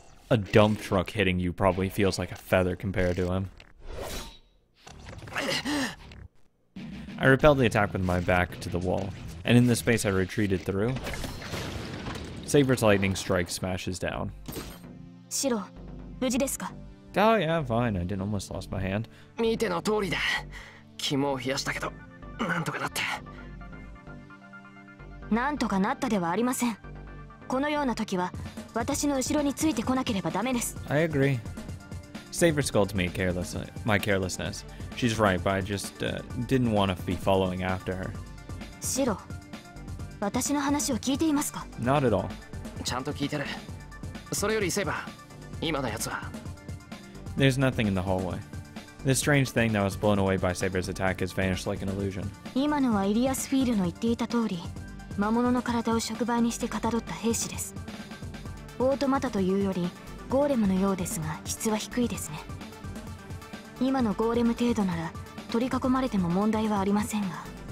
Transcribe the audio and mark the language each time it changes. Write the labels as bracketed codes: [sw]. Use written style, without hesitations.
[en] A dump truck hitting you probably feels like a feather compared to him. I repelled the attack with my back to the wall, and in the space I retreated through, Saber's lightning strike smashes down. [ja] Shiro, 無事ですか? [en] Oh yeah, fine. I didn't almost lost my hand. [ja] 見ての通りだ。肝を冷やしたけど、なんとかなって。なんとかなったではありません。このような時は私の後ろについてこなければダメです。 [en] I agree. Saber scolds me carelessly, my carelessness. She's right, but I just, didn't want to be following after her. シロ、私の話を聞いていますか? Not at all. [ja] ちゃんと聞いてる。それよりセーバー、今のやつは。 [en] There's nothing in the hallway. The strange thing that was blown away by Saber's attack has vanished like an illusion. [ja] 今のはイリアスフィールの言っていた通り、魔物の体を触媒にしてかたどった兵士です。オートマタというよりゴーレムのようですが、質は低いですね。今のゴーレム程度なら取り囲まれても問題はありませんが。